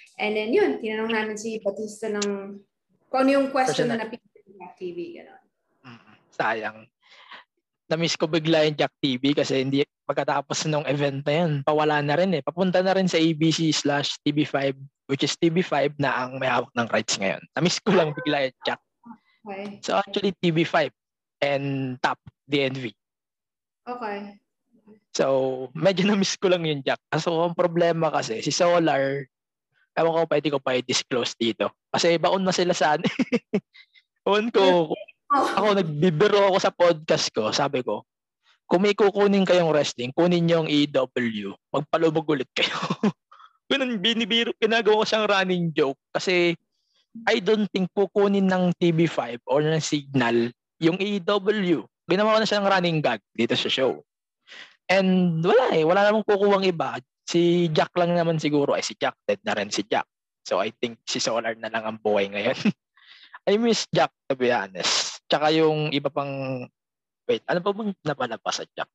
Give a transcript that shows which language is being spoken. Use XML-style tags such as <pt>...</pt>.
<tl>And then yun, tinanong namin si Batista ng kung ano yung question na napili sa Jack TV. Ganun. Sayang. Na-miss ko bigla yung Jack TV kasi hindi pagkatapos nung event na yan, pawala na rin eh. Papunta na rin sa ABC/TV5, which is TV5 na ang may hawak ng rights ngayon. Na-miss ko lang bigla yung Jack. Okay. So actually TV5 and TAP, DNV. Okay. So medyo na-miss ko lang yung Jack. So ang problema kasi, si Solar, ewan ko pwede ko pa i-disclose dito. Kasi baon na sila saan. Baon ko. Ako, nagbibiro ako sa podcast ko. Sabi ko, kung may kukunin kayong wrestling, kunin niyo ang EW. Magpalubog ulit kayo. Binibiro, pinagawa ko siyang running joke. Kasi</tl> <en>I don't think</en> <tl>kukunin ng TV5 or ng Signal yung EW. Ginawa ko na siyang running gag dito sa show. And wala eh. Wala namang kukuwang iba. Si Jack lang naman siguro. Ay, si Jack. Dead na rin si Jack. So I think si Solar na lang ang buhay ngayon.</tl> <en>I miss Jack, to be honest.</en> <tl>Tsaka yung iba pang... Wait, ano pa bang napalabas sa Jack?</tl>